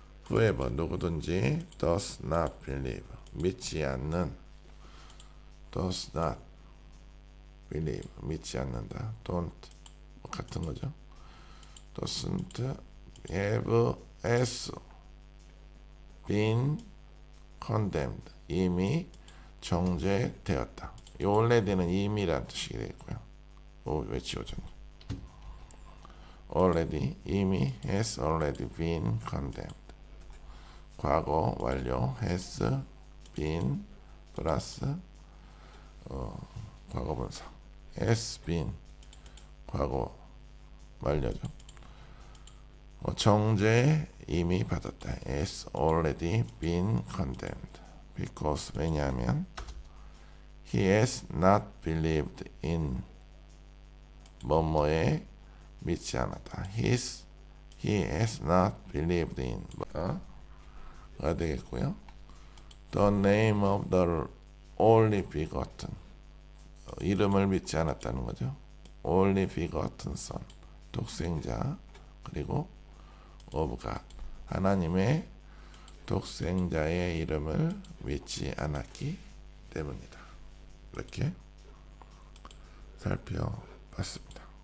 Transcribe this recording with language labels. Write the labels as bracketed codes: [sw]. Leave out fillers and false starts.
[en] whoever [ko] 누구든지 [en] does not believe [ko] 믿지 않는 [en] does not believe [ko] 믿지 않는다 [en] don't [ko] 뭐 같은 거죠 [en] doesn't have as been condemned [ko] 이미 정죄되었다. 이 already는 이미라는 뜻이 되겠고요. 왜 지워졌냐. [en] already, [ko] 이미 [en] has already been condemned. [ko] 과거, 완료, [en] has been, [ko] plus 과거분사. [en] has been, [ko] 과거, 완료죠. 정죄 이미 받았다. [en] has already been condemned. because, [ko] 왜냐하면 [en] He has not believed in [ko] 뭐뭐에 믿지 않았다. [en] He has not believed in [ko] 뭐가 되겠고요. [en] The name of the only begotten [ko] 이름을 믿지 않았다는 거죠. [en] Only begotten son [ko] 독생자 그리고 [en] of God [ko] 하나님의 독생자의 이름을 믿지 않았기 때문이다. 이렇게 살펴봤습니다.